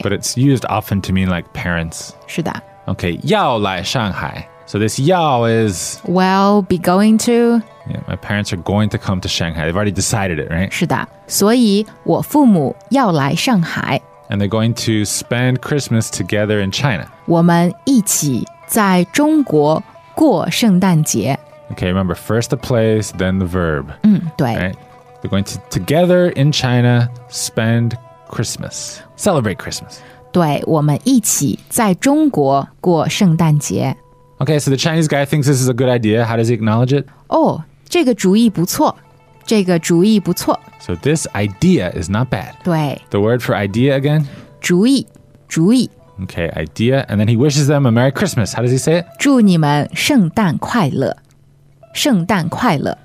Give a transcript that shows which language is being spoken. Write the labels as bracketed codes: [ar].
[en] But it's used often to mean like parents. [zh] 是的。 [en] Okay, [zh] 要来上海。 [en] So this 要 is... Well, be going to... Yeah, my parents are going to come to Shanghai. They've already decided it, right? [zh] 是的。所以我父母要来上海。 [en] And they're going to spend Christmas together in China. [zh] 我们一起在中国过圣诞节。 [en] Okay, remember, first the place, then the verb. [zh] 对。 [en] Right? They're going to, together in China, spend Christmas. Celebrate Christmas. [zh] 对,我们一起在中国过圣诞节。 [en] Okay, so the Chinese guy thinks this is a good idea. How does he acknowledge it? [zh] Oh, 这个主意不错。这个主意不错。 [en] So this idea is not bad. [zh] 对。 [en] The word for idea again? [zh] 主意,主意。 [en] Okay, idea. And then he wishes them a Merry Christmas. How does he say it? [zh] 祝你们圣诞快乐。圣诞快乐。